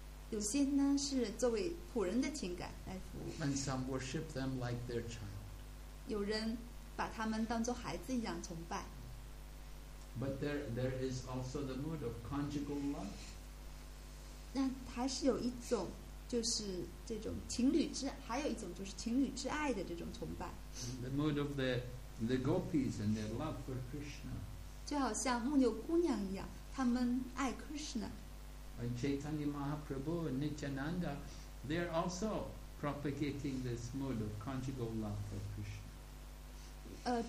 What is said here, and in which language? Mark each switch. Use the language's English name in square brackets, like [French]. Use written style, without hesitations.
[Chinese] 有些呢是作为仆人的情感来服务。 [English] And some worship them like their child. [Chinese] 有人把他们当作孩子一样崇拜。 [English] But there is also the mood of conjugal love. [Chinese] 那还是有一种就是这种情侣之，还有一种就是情侣之爱的这种崇拜。 [English] And the mood of the gopis and their love for Krishna. [Chinese] 就好像牧牛姑娘一样，他们爱 Krishna。 [English] And Chaitanya Mahaprabhu and Nityananda, they are also propagating this mood of conjugal love for Krishna.